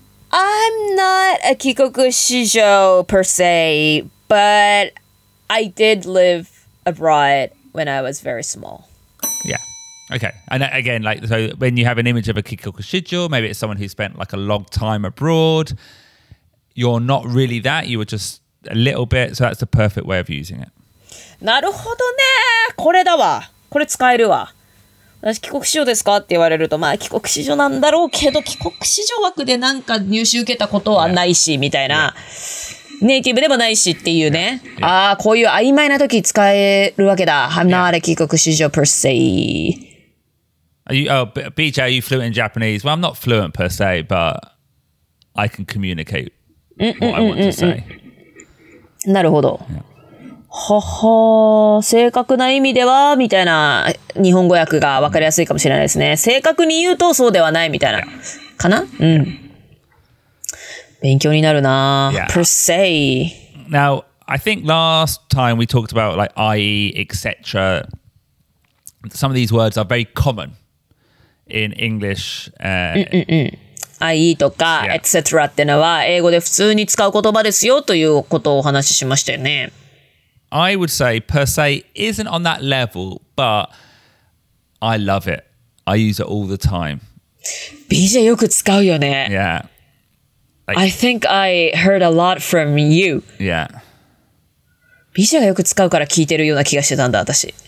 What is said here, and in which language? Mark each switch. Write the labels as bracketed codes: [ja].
[en] I'm not a kikoku shijo per se, but I did live abroad when I was very small. Yeah. Okay. And again, like, so when you have an image of a kikoku shijo, maybe it's someone who spent like a long time abroad. You're not really that. You were just a little bit. So that's the perfect way of using it. [ja] なるほどね。これだわ。これ使えるわ。私帰国子女ですかって言われるとまあ帰国子女なんだろうけど帰国子女枠でなんか入試受けたことはないし、yeah. みたいな、yeah. ネイティブでもないしっていうね、yeah. Yeah. ああこういう曖昧な時使えるわけだ、yeah. [en] I'm not a 帰国子女 per se. BJ, are you fluent in Japanese? Well, I'm not fluent per se, but I can communicate what I want to say. [ja] なるほど、yeah. はは、正確な意味ではみたいな日本語訳が分かりやすいかもしれないですね。正確に言うとそうではないみたいな、yeah. かな、yeah. うん。勉強になるな、yeah. per se. [en] Now, I think last time we talked about like IE, etc. Some of these words are very common in English. [ja] IE とか、yeah. etc. ってのは英語で普通に使う言葉ですよということをお話ししましたよね。 [en] I would say per se isn't on that level, but I love it. I use it all the time. [ja] BJ, よく使うよね。 Yeah. [en] Like, I think I heard a lot from you. Yeah. [ja] BJ がよく使うから聞いてるような気がしてたんだ、私。